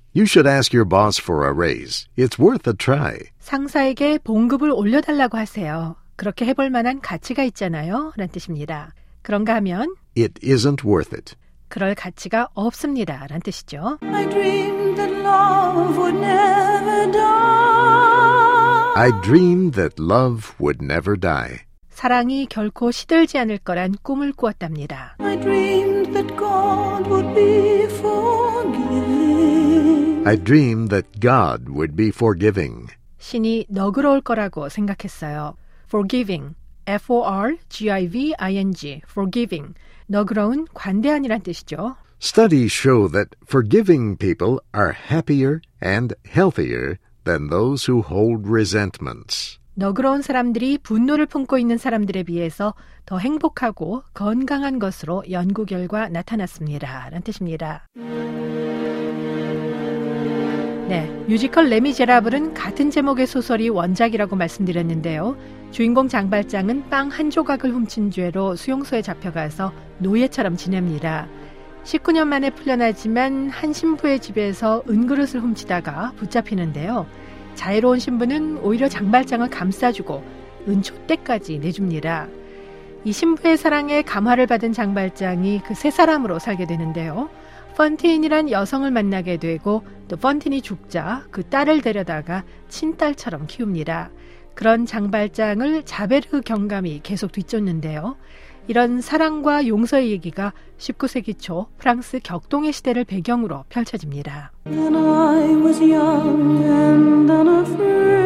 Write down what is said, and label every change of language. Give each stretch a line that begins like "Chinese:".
English: You should ask your boss for a raise. It's worth a try.
Korean: 상사에게 봉급을 올려달라고 하세요. 그렇게 해볼 만한 가치가 있잖아요. 라는 뜻입니다. 그런가 하면
English: It isn't worth it.
Korean: 그럴 가치가 없습니다. 라는 뜻이죠.
English: I dreamed that love would never die. I dreamed that love would never die.
Korean: 사랑이 결코 시들지 않을 거란 꿈을 꾸었답니다.
English: I dreamed that God would be forgiving. I dreamed that God would be forgiving.
Korean: 신이 너그러울 거라고 생각했어요. Forgiving, F-O-R-G-I-V-I-N-G, forgiving, 너그러운 관대한이란 뜻이죠.
English: Studies show that forgiving people are happier and healthier than those who hold resentments.
Korean: 너그러운 사람들이 분노를 품고 있는 사람들에 비해서 더 행복하고 건강한 것으로 연구 결과 나타났습니다. 라는 뜻입니다. 네, 뮤지컬 레미제라블은 같은 제목의 소설이 원작이라고 말씀드렸는데요. 주인공 장발장은 빵 한 조각을 훔친 죄로 수용소에 잡혀가서 노예처럼 지냅니다. 19년 만에 풀려나지만 한 신부의 집에서 은그릇을 훔치다가 붙잡히는데요. 자애로운 신부는 오히려 장발장을 감싸주고 은촛대까지 내줍니다. 이 신부의 사랑에 감화를 받은 장발장이 그 세 사람으로 살게 되는데요. 펀틴이란 여성을 만나게 되고 또 펀틴이 죽자 그 딸을 데려다가 친딸처럼 키웁니다. 그런 장발장을 자베르 경감이 계속 뒤쫓는데요. 이런 사랑과 용서의 얘기가 19세기 초 프랑스 격동의 시대를 배경으로 펼쳐집니다.
English: Then I was young and unafraid.